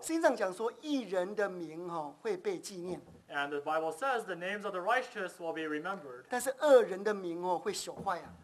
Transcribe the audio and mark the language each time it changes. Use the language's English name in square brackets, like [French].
[Chinese] 圣经上讲说，义人的名哦会被纪念。 [English] And the Bible says the names of the righteous will be remembered. [Chinese] 但是恶人的名哦会朽坏啊。